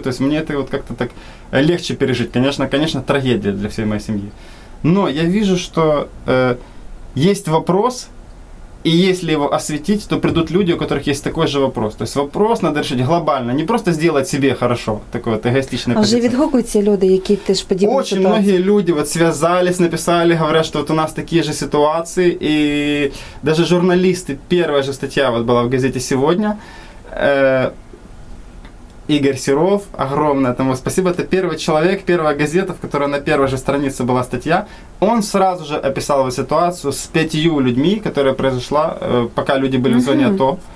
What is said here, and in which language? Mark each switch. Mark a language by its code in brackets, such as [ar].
[ru] То есть мне это вот как-то так легче пережить. Конечно, конечно, трагедия для всей моей семьи. Но я вижу, что есть вопрос, и если его осветить, то придут люди, у которых есть такой же вопрос. То есть вопрос надо решить глобально, не просто сделать себе хорошо, такой вот эгоистичный [uk] позиции. А уже відгукуються люди, які теж подібні ситуації? [ru] Очень многие люди вот связались, написали, говорят, что вот у нас такие же ситуации. И даже журналисты, первая же статья вот была в газете «Сегодня», Игорь Серов, огромное тому спасибо, это первый человек, первая газета, в которой на первой же странице была статья, он сразу же описал его ситуацию с 5 людьми, которая произошла, пока люди были в зоне АТО.